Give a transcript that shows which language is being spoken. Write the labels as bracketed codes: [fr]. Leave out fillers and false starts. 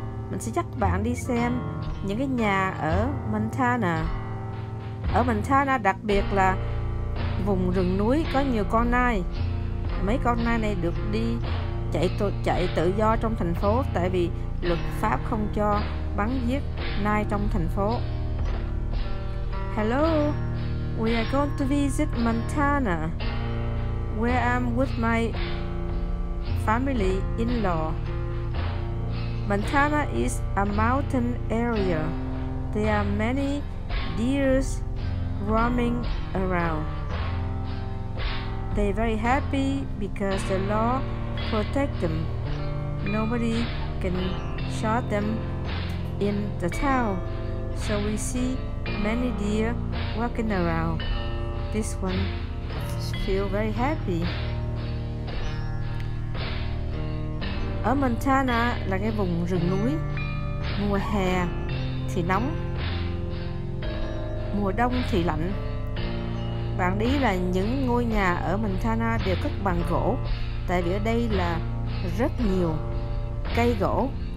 [vi] Mình sẽ dắt bạn đi xem những cái nhà ở Montana. Ở Montana đặc biệt là vùng rừng núi có nhiều con nai. Mấy con nai này được đi chạy tự do trong thành phố tại vì luật pháp không cho bắn giết nai trong thành phố. [en] Hello, we are going to visit Montana, where I'm with my family-in-law. Montana is a mountain area. There are many deers roaming around. They're very happy because the law protects them. Nobody can shoot them in the town. So we see many deer walking around. This one feels very happy. [vi] Ở Montana là cái vùng rừng núi. Mùa hè thì nóng, mùa đông thì lạnh. Bạn ý là những ngôi nhà ở Montana đều cất bằng gỗ, tại vì ở đây là rất nhiều cây gỗ.